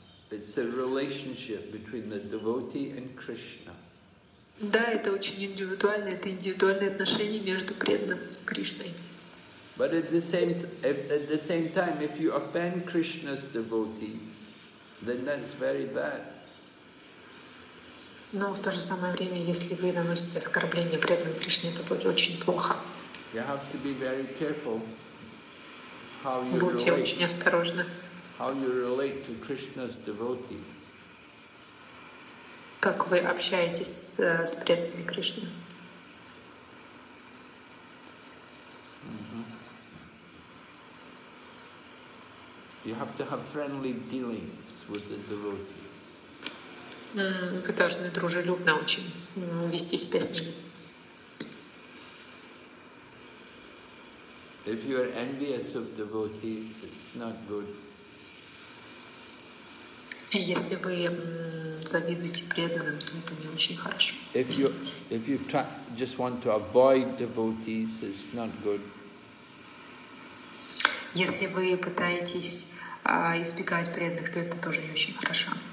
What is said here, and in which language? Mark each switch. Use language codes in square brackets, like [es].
[en] It's a relationship between the devotee and Krishna. [ru] Да, это очень индивидуально. Это индивидуальные отношения между преданным и Кришной. [en] But at the same time, if you offend Krishna's devotees, then that's very bad. [ru] Но в то же самое время, если вы наносите оскорбление преданным Кришне, это будет очень плохо. [en] You have to be very careful how you [ru] Будьте [en] relate, [ru] очень осторожны. [en] How you relate to Krishna's devotees. [ru] Как вы общаетесь с преданными Кришне? [en] You have to have friendly dealings with the devotees. [ru] Вы должны дружелюбно очень вести себя с ними. [en] If you are envious of devotees, it's not good. [ru] Если вы завидуете преданным, то это не очень хорошо. [en] If you just want to avoid devotees, it's not good. [ru] Если вы пытаетесь избегать преданных, то это тоже не очень хорошо.